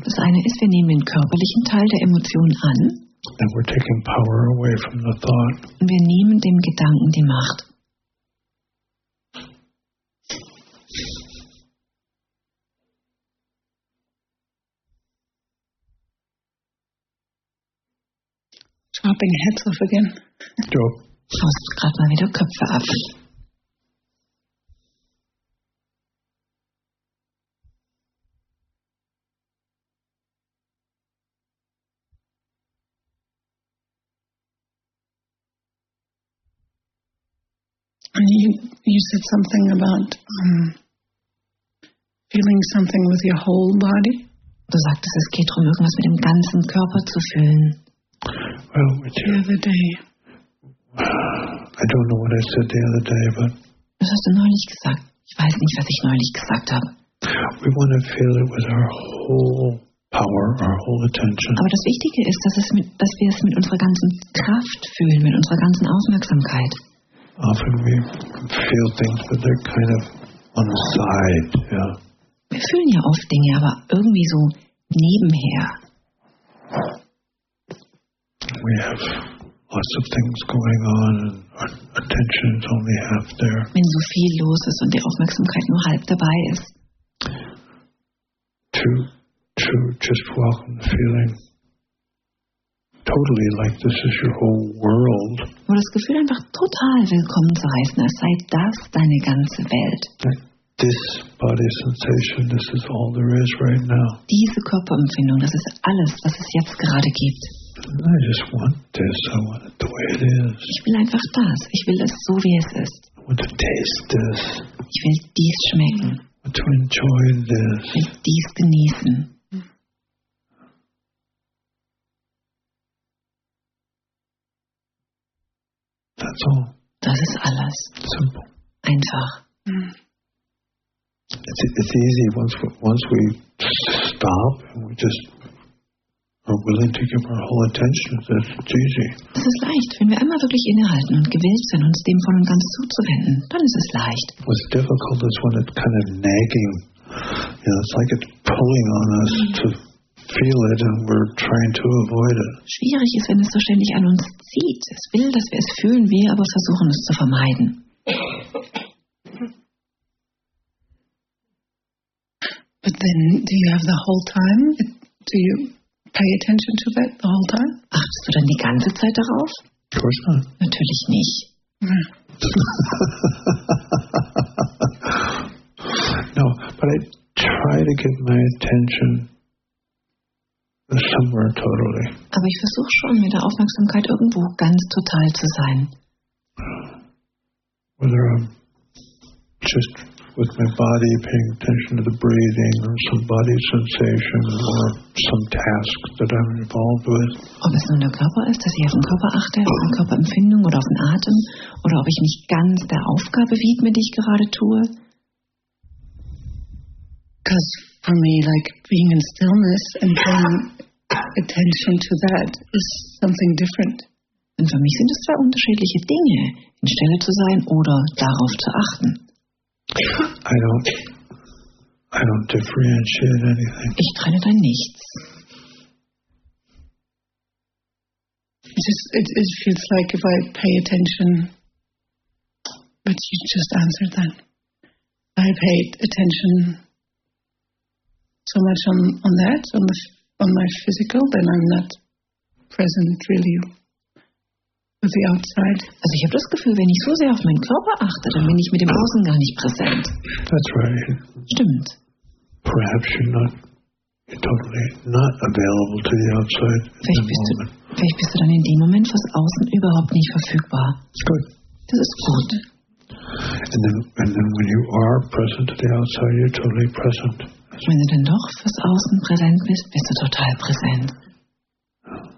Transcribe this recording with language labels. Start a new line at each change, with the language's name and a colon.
German: Das eine ist, wir nehmen den körperlichen Teil der Emotion an.
English: And we're taking power away from the thought.
German: Und wir nehmen dem Gedanken die Macht.
English: Chopping heads off again.
German: Du haust gerade mal wieder Köpfe ab.
English: And you said something about feeling something with your whole body.
German: Du sagtest, es geht darum, irgendwas mit dem ganzen Körper zu fühlen.
English: Well, with the other day. I don't know what I said the other day, but.
German: Was hast du neulich gesagt? Ich weiß nicht, was ich neulich gesagt habe.
English: We want to feel it with our whole power, our whole attention.
German: Aber das Wichtige ist, dass wir es mit unserer ganzen Kraft fühlen, mit unserer ganzen Aufmerksamkeit.
English: Often we feel things, but they're kind of on the side, yeah.
German: Wir fühlen ja oft Dinge, aber irgendwie so nebenher.
English: We have lots of things going on and our attention is only half there.
German: Wenn so viel los ist und die Aufmerksamkeit nur halb dabei ist.
English: To just welcome the feeling totally like this is your whole world.
German: Wo das Gefühl einfach total willkommen zu heißen, als sei das deine ganze Welt.
English: This body sensation, this is all there is right now.
German: Diese Körperempfindung, das ist alles, was es jetzt gerade gibt.
English: I just want this. I want it the way it is.
German: Ich will einfach das. Ich will es so, wie es ist.
English: I want to taste this.
German: Ich will dies schmecken.
English: I want to enjoy this.
German: Ich will dies genießen.
English: That's all.
German: Das ist alles.
English: Simple.
German: Einfach.
English: It's easy once we stop and we just are willing to give our whole attention. That's easy.
German: Es ist leicht, wenn wir einmal wirklich innehalten und gewillt sind, uns dem voll und ganz zuzuwenden. Dann ist es leicht.
English: What's difficult is when it's kind of nagging. You know, it's like it's pulling on us to feel it, and we're trying to avoid it.
German: Schwierig ist, wenn es so ständig an uns zieht. Es will, dass wir es fühlen, wir aber versuchen es zu vermeiden.
English: But then, do you have the whole time? Do you pay attention to that the whole time?
German: Achtest du dann die ganze Zeit darauf?
English: Of course not.
German: Natürlich nicht.
English: No, but I try to give my attention somewhere totally.
German: Aber ich versuche schon, mit der Aufmerksamkeit irgendwo ganz total zu sein.
English: Whether I'm just with my body, paying attention to the breathing, or some body sensation, or some task that I'm involved with.
German: Ob es nur der Körper ist, dass ich auf den Körper achte, auf den Körperempfindung oder auf den Atem, oder ob ich mich ganz der Aufgabe widme, die ich gerade tue.
English: Because for me, like being in stillness and paying attention to that is something different.
German: Und für mich sind es zwei unterschiedliche Dinge, in Stille zu sein oder darauf zu achten.
English: I don't differentiate anything.
German: Ich trenne da nichts.
English: It feels like if I pay attention. But you just answered that. I paid attention so much on that, on my physical, then I'm not present really with the outside.
German: Also ich habe das Gefühl, wenn ich so sehr auf meinen Körper achte, dann bin ich mit dem Außen gar nicht präsent.
English: That's right.
German: Stimmt.
English: Perhaps you're totally not available to the outside.
German: Vielleicht bist du dann in dem Moment fürs Außen überhaupt nicht verfügbar.
English: Good.
German: Das ist gut.
English: And then when you are present to the outside, you're totally present.
German: Wenn du denn doch fürs Außen präsent bist, bist du total präsent.